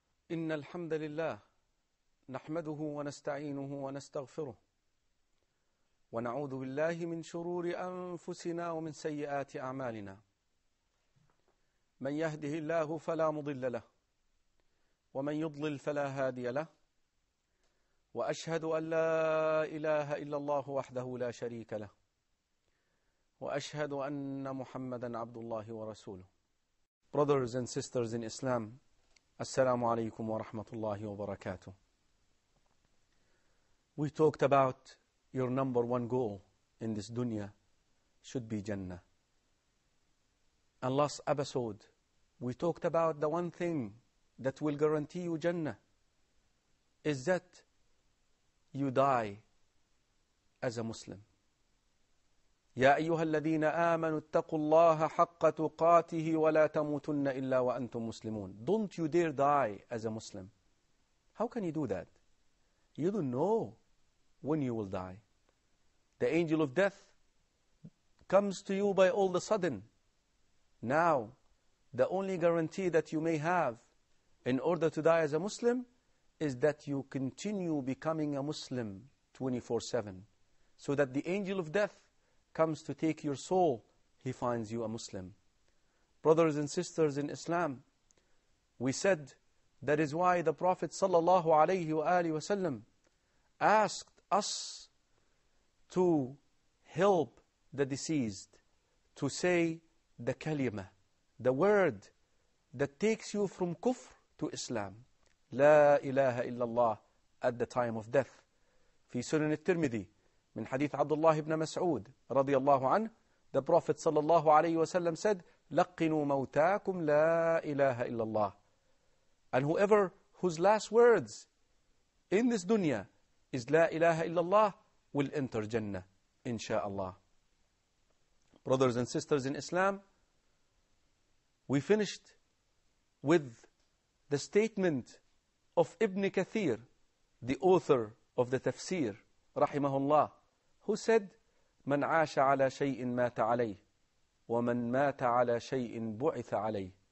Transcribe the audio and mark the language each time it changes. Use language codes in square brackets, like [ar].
[ar] إن الحمد لله نحمده ونستعينه ونستغفره ونعوذ بالله من شرور أنفسنا ومن سيئات أعمالنا، من يهده الله فلا مضل له ومن يضلل فلا هادي له، وأشهد أن لا إله إلا الله وحده لا شريك له، وأشهد أن محمدا عبد الله ورسوله. [en] Brothers and sisters in Islam, [ar] السلام عليكم ورحمة الله وبركاته. [en] We talked about your number one goal in this dunya should be Jannah. And last episode, we talked about the one thing that will guarantee you Jannah is that you die as a Muslim. [ar] يا أيها الذين آمنوا اتقوا الله حق تقاته ولا تموتن إلا وأنتم مسلمون. [en] Don't you dare die as a Muslim. How can you do that? You don't know when you will die. The angel of death comes to you by all the sudden. Now, the only guarantee that you may have in order to die as a Muslim is that you continue becoming a Muslim 24/7, so that the angel of death comes to take your soul, he finds you a Muslim. Brothers and sisters in Islam, we said that is why the Prophet sallallahu alayhi wa alihi wa sallam asked us to help the deceased to say the kalima, the word that takes you from kufr to Islam. [ar] لا إله إلا الله [en] at the time of death. [ar] في سنن الترمذي من حديث عبد الله بن مسعود رضي الله عنه, [en] the Prophet [ar] صلى الله عليه وسلم [en] said, [ar] لقنوا موتاكم لا إله إلا الله. [en] And whoever whose last words in this dunya is لا إله إلا الله will enter Jannah, inshaAllah. Brothers and sisters in Islam, we finished with the statement of Ibn Kathir, the author of the Tafsir, rahimahullah, who said, [ar] "من عاش على شيء مات عليه ومن مات على شيء بعث عليه."